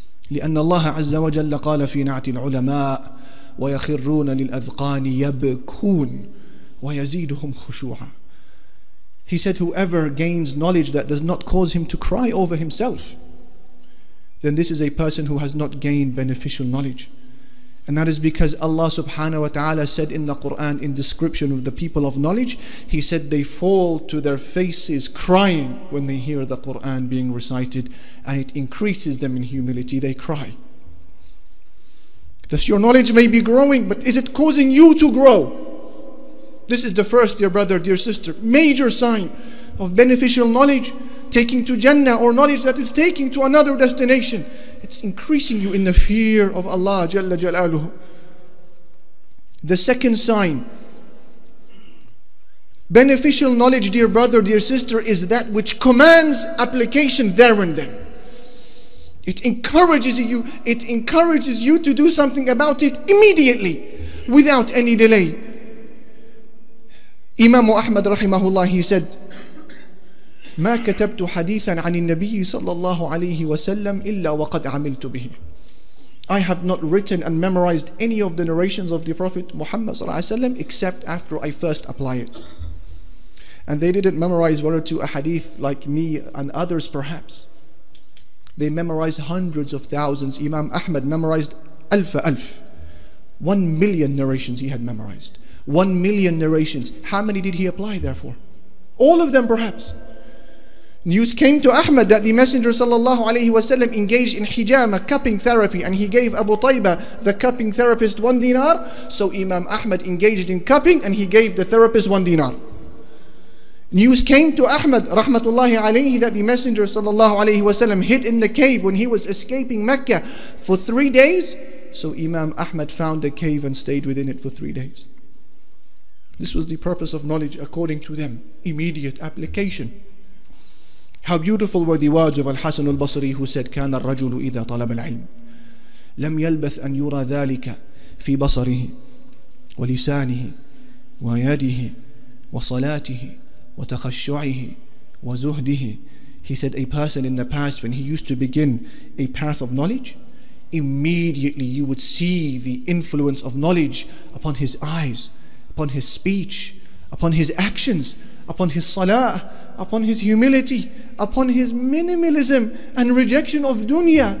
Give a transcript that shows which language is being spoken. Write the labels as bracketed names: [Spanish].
[Arabic] لأن الله عز وجل قال في نعت العلماء ويخرون للأذقان يبكون ويزيدهم خشوعا. [English] He said, whoever gains knowledge that does not cause him to cry over himself, then this is a person who has not gained beneficial knowledge. And that is because Allah subhanahu wa ta'ala said in the Quran, in description of the people of knowledge, he said they fall to their faces crying when they hear the Quran being recited, and it increases them in humility. They cry. Thus your knowledge may be growing, but is it causing you to grow? This is the first, dear brother, dear sister, major sign of beneficial knowledge taking to Jannah, or knowledge that is taking to another destination. It's increasing you in the fear of Allah Jalla Jalaluhu. The second sign, beneficial knowledge, dear brother, dear sister, is that which commands application there and then. It encourages you to do something about it immediately, without any delay. Imam Ahmad rahimahullah, he said, [Arabic] ما كتبت حديثا عن النبي صلى الله عليه وسلم إلا وقد عملت به. [English] I have not written and memorized any of the narrations of the Prophet Muhammad صلى الله عليه وسلم except after I first apply it. And they didn't memorize one or two a hadith like me and others perhaps. They memorized hundreds of thousands. Imam Ahmad memorized ألف 1 million narrations he had memorized. 1 million narrations. How many did he apply therefore? All of them perhaps. News came to Ahmad that the Messenger sallallahu alayhi wasallam engaged in hijama, cupping therapy, and he gave Abu Tayba, the cupping therapist, 1 dinar. So Imam Ahmad engaged in cupping and he gave the therapist 1 dinar. News came to Ahmad rahmatullahi alayhi that the Messenger sallallahu alayhi wasallam hid in the cave when he was escaping Mecca for 3 days. So Imam Ahmad found a cave and stayed within it for 3 days. This was the purpose of knowledge according to them, immediate application. How beautiful were the words of Al-Hasan al-Basri, who said, [Arabic] كَانَ الرَّجُلُ إِذَا طَلَبَ الْعِلْمِ لَمْ يَلْبَثْ أَنْ يُرَى ذَلِكَ فِي بَصَرِهِ وَلِسَانِهِ وَيَدِهِ وَصَلَاتِهِ وَتَخَشُّعِهِ وَزُهْدِهِ. [English] He said, a person in the past, when he used to begin a path of knowledge, immediately you would see the influence of knowledge upon his eyes, upon his speech, upon his actions, upon his salah, upon his humility, upon his minimalism and rejection of dunya.